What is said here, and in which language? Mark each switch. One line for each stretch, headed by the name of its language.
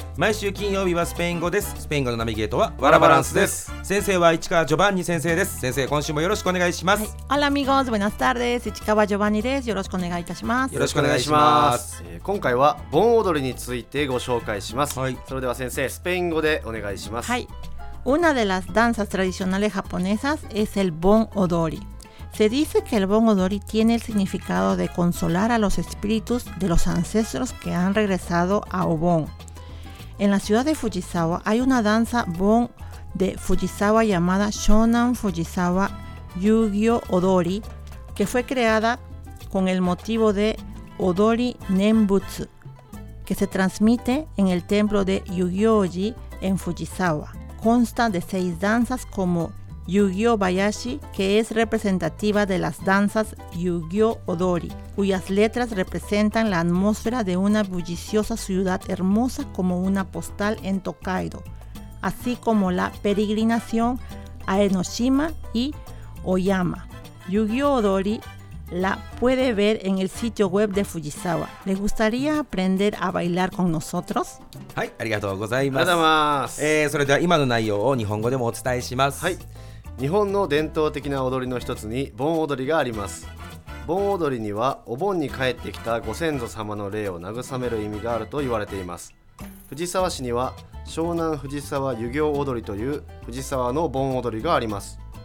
Japanese: 毎週金曜日はスペイン語です。スペイン語のナビゲートはワラバランスです。先生は市川ジョバンニ先生です。先生、今週もよろしくお願いします。アラミゴーズ、ブナスタールです。市川ジョバンニです。よろしくお願いいたします。よろしくお願いします。今回は盆踊りについてご紹介します。はい、それでは先生、スペイン語でお願いします。
Spanish: はい、una de las danzas tradicionales japonesas es el bon odori. Se dice que el bon odori tiene el significado de consolar a los espíritus de los ancestros que han regresado a Obon. En la ciudad de Fujisawa hay una danza bon de Fujisawa llamada Shonan Fujisawa Yugyo Odori, que fue creada con el motivo de Odori Nenbutsu, que se transmite en el templo de Yugyoji en Fujisawa. Consta de seis danzas como Yugyo Bayashi, que es representativa de las danzas Yugyo Odori, cuyas letras representan la atmósfera de una bulliciosa ciudad hermosa como una postal en Tokaido, así como la peregrinación a Enoshima y Oyama. Yugyo Odori la puede ver en el sitio web de Fujisawa. ¿Le gustaría aprender a bailar con nosotros?
Japanese: はい、ありがとうございます。ありがとうございます。それでは今の内容を日本語でもお伝えします。はい、日本の伝統的な踊りの一つに盆踊りがあります。盆踊りにはお盆に帰ってきたご先祖様の霊を慰める意味があると言われています。藤沢市には湘南藤沢遊行踊りという藤沢の盆踊りがあります。